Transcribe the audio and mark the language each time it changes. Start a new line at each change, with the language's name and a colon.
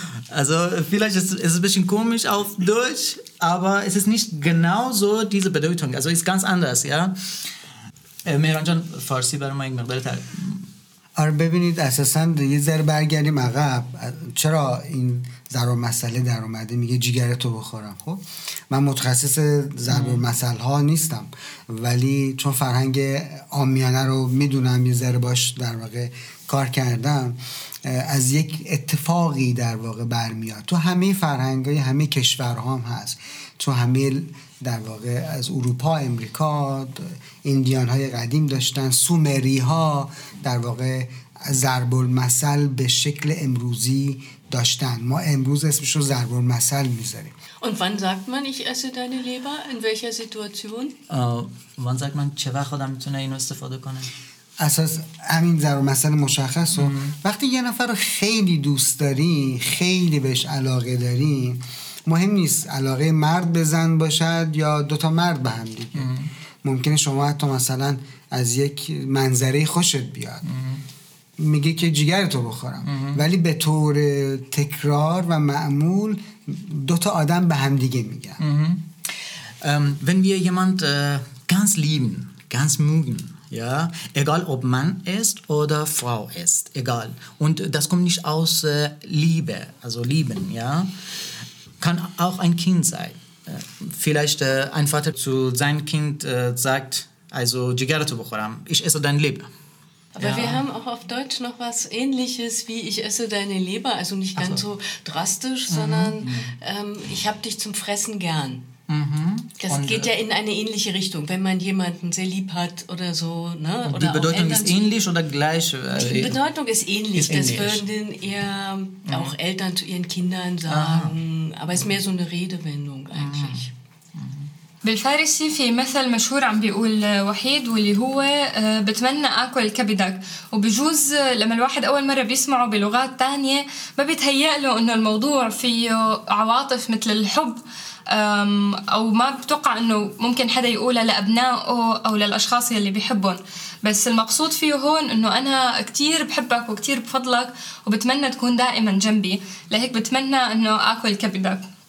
German: Also, vielleicht ist es ein bisschen komisch auf Deutsch, aber es ist nicht genau so diese Bedeutung. Also, es ist ganz anders, ja.
Persian: مهران جان فارسی برای ما یک مقدار آره ببینید اساسا یه ذره برگردیم عقب، چرا این ضرب مسئله در اومده؟ میگه جیگرتو بخورم. خب من متخصص ضرب مسئله ها نیستم، ولی چون فرهنگ عامیانه رو میدونم، یه ذره باش در واقع کار کردم، از یک اتفاقی در واقع برمیاد تو همه فرهنگ های همه کشورها هم هست، تو همه در واقع از اروپا، امریکا، ایندیان های قدیم داشتن، سومری ها در واقع ضرب المثل به شکل امروزی داشتن، ما امروز اسمش رو ضرب المثل میذاریم.
German: Und wann sagt man ich esse deine Leber, in welcher Situation? Wann sagt man
Persian: چه وقت خودم میتونه اینو استفاده کنه؟ اساس همین ضرب المثل مشخص رو وقتی یه نفر رو خیلی دوست داری، خیلی بهش علاقه داری، مهم نیست علاقه مرد به زن باشد یا دوتا مرد به هم دیگه، ممکنه شما حتی مثلا از یک منظره خوشت بیاد، میگه که جگرتو بخورم، ولی به طور تکرار و معمول دوتا آدم به هم دیگه میگن.
German: Wenn wir jemand ganz lieben, ganz mögen, ja, egal ob Mann ist oder Frau ist, egal, und das kommt nicht aus Liebe, also lieben, ja, kann auch ein Kind sein. Vielleicht ein Vater zu seinem Kind sagt, also Jigarette bekommen, ich esse dein Leben. Aber ja, wir haben auch auf Deutsch noch was Ähnliches wie ich esse deine Leber, also nicht ganz so drastisch, sondern ich hab dich zum Fressen gern. Das und geht ja in eine ähnliche Richtung, wenn man jemanden sehr lieb hat oder so. Ne? Und oder die Bedeutung ist ähnlich oder gleich? Die Bedeutung ist ähnlich. Ist das ähnlich. Würden denn eher auch Eltern zu ihren Kindern sagen. Aha. Aber es ist mehr so eine Redewendung eigentlich.
Arabic: بالفارسي في مثل مشهور عم بيقول وحيد واللي هو بتمنى أكل كبدك، وبجوز لما الواحد أول مرة بيسمعه بلغات تانية ما بيتهيأ له أنه الموضوع فيه عواطف مثل الحب، أو ما بتوقع أنه ممكن حدا يقوله لأبنائه أو للأشخاص يلي بيحبهم، بس المقصود فيه هون أنه أنا كتير بحبك وكتير بفضلك وبتمنى تكون دائما جنبي، لهيك بتمنى أنه أكل كبدك.